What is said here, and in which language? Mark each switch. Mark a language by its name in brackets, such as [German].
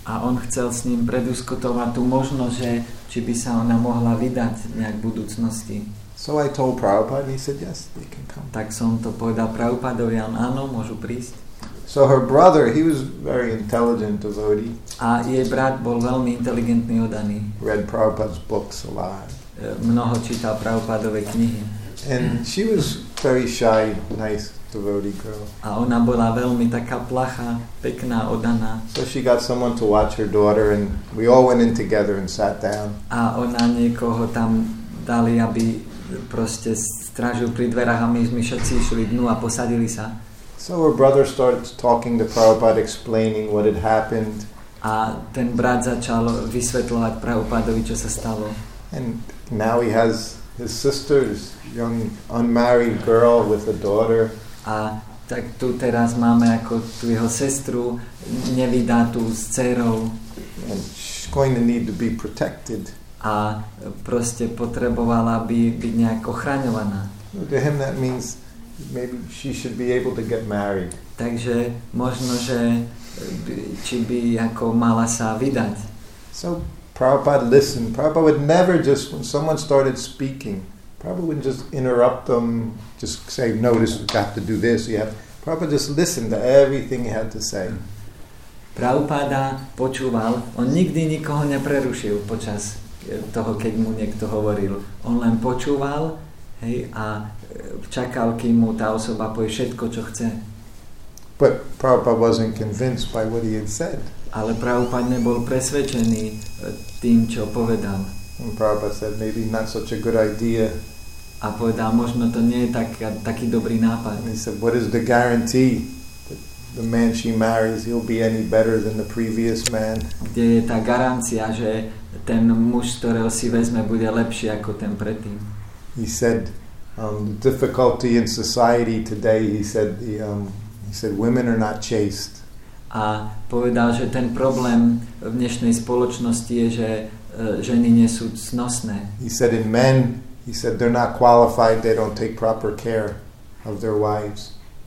[Slovak] A on chcel s ním prediskutovať tú možnosť, že či by sa ona mohla vydať nejak v budúcnosti. [English] So I told Prabhupada and he said, yes, they can come. [Slovak] Tak som to povedal Prabhupádovi, áno, môžu prísť. [English] So her brother, he was very intelligent devotee. [Slovak] A jej brat bol veľmi inteligentný oddaný. [English] Read Prabhupada's books a lot. [Slovak] Mnoho čítal Prabhupádove knihy. [English] And she was very shy, nice devotee girl. [Slovak] A ona bola veľmi taká plachá, pekná, oddaná. [English] So she got someone to watch her daughter and we all went in together and sat down. [Slovak] A ona niekoho tam dali, aby proste strážil pri dverách a my sme všetci išli dnu a posadili sa. [English] So her brother started talking to Prabhupada, explaining what had happened. [Slovak] A ten brat začal vysvetľovať Prabhupádovi, čo sa stalo. [English] And now he has his sister's young unmarried girl with a daughter. [Slovak] A tak tu teraz máme ako tú jeho sestru, nevydatú s dcérou. [English] And she's going to need to be protected. [Slovak] A proste potrebovala by byť nejak ochraňovaná. [English] To him that means maybe she should be able to get married. [Slovak] Takže možno, že či by ako mala sa vydať. [English] So Prabhupada listened. Prabhupada would never just, when someone started speaking, Prabhupada wouldn't just interrupt them, just say, no, this, you have to do this. You have. Prabhupada just listened to everything he had to say. [Slovak] Prabhupada počúval, on nikdy nikoho neprerušil počas toho, keď mu niekto hovoril. On len počúval, hej, a čakal, kým mu tá osoba povie všetko, čo chce. [English] But Prabhupada wasn't convinced by what he had said. [Slovak] Ale Prabhupada nebol presvedčený tým, čo povedal. [English] And Prabhupada said, maybe not such a good idea. [Slovak] A povedal, možno to nie je taký dobrý nápad. [English] And he said, what is the guarantee that the man she marries, he'll be any better than the previous man? [Slovak] Kde je tá garancia, že ten muž, ktorého si vezme, bude lepší ako ten predtým? [English] He said, the difficulty in society today, he said women are not chaste. [Slovak] A povedal, že ten problém v dnešnej spoločnosti je, že ženy nie sú cnostné. [English] He said in men, he said they're not qualified, they don't take proper care of their wives.